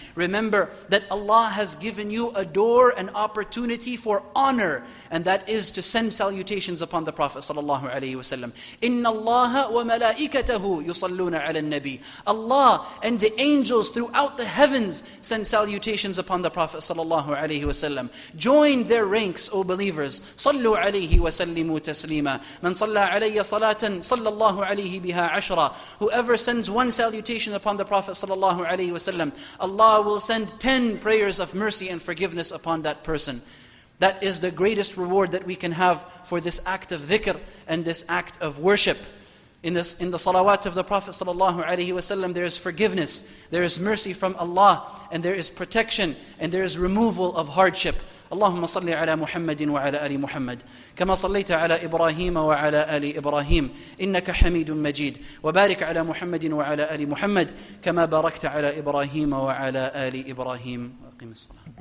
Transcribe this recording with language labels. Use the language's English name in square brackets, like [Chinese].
[English] Remember that Allah has given you a door, an opportunity for honor, and that is to send salutations upon the Prophet sallallahu alayhi wa sallam. [Arabic] إِنَّ اللَّهَ وَمَلَائِكَتَهُ يُصَلُّونَ عَلَى النَّبِيِّ. [English] Allah and the angels throughout the heavens send salutations upon the Prophet sallallahu alayhi wa sallam. Join their ranks, O believers. [Arabic] صلوا عليه وسلموا تسليما من صلى علي صلاة صلى الله عليه بها عشرة. [English] Whoever sends one salutation upon the Prophet صلى الله عليه وسلم, Allah will send 10 prayers of mercy and forgiveness upon that person. That is the greatest reward that we can have for this act of dhikr and this act of worship. In the salawat of the Prophet صلى الله عليه وسلم, there is forgiveness, there is mercy from Allah, and there is protection, and there is removal of hardship. [Arabic] اللهم صل على محمد وعلى آل محمد كما صليت على إبراهيم وعلى آل إبراهيم إنك حميد مجيد وبارك على محمد وعلى آل محمد كما باركت على إبراهيم وعلى آل إبراهيم أقيم الصلاة.